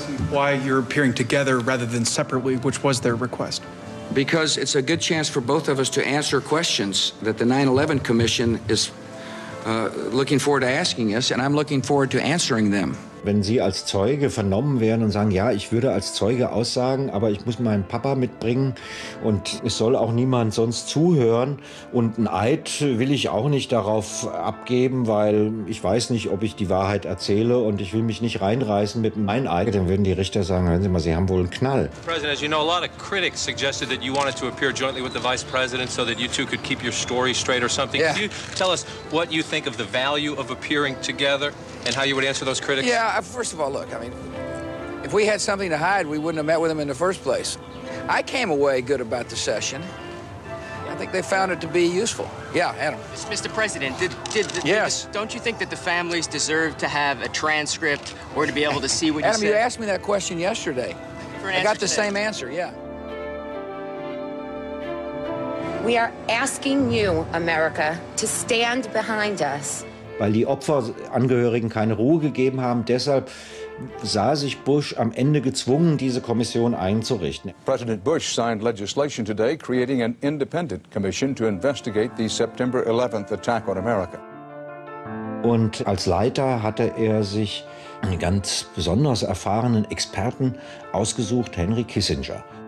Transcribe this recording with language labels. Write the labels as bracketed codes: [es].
[en] Why you're appearing together rather than separately, which was their request? Because it's a good chance for both of us to answer questions that the 9/11 Commission is looking forward to asking us, and I'm looking forward to answering them. [de] Wenn Sie als Zeuge vernommen werden und sagen, ja, ich würde als Zeuge aussagen, aber ich muss meinen Papa mitbringen und es soll auch niemand sonst zuhören und ein Eid will ich auch nicht darauf abgeben, weil ich weiß nicht, ob ich die Wahrheit erzähle und ich will mich nicht reinreißen mit meinem Eid, dann würden die Richter sagen, hören Sie mal, Sie haben wohl einen Knall. Herr Präsident, [en] as you know, a lot of critics suggested that you wanted to appear jointly with the Vice President so that you two could keep your story straight or something. Yeah. Can you tell us what you think of the value of appearing together? And how you would answer those critics? Yeah, first of all, look, I mean, if we had something to hide, we wouldn't have met with them in the first place. I came away good about the session. I think they found it to be useful. Yeah, Adam. Mr. President, don't you think that the families deserve to have a transcript or to be able to see what Adam, you said? Adam, you asked me that question yesterday. I got the same answer, yeah. We are asking you, America, to stand behind us. [de] Weil die Opferangehörigen keine Ruhe gegeben haben. Deshalb sah sich Bush am Ende gezwungen, diese Kommission einzurichten. [en] President Bush signed legislation today creating an independent commission to investigate the September 11th attack on America. [de] Und als Leiter hatte er sich einen ganz besonders erfahrenen Experten ausgesucht, Henry Kissinger.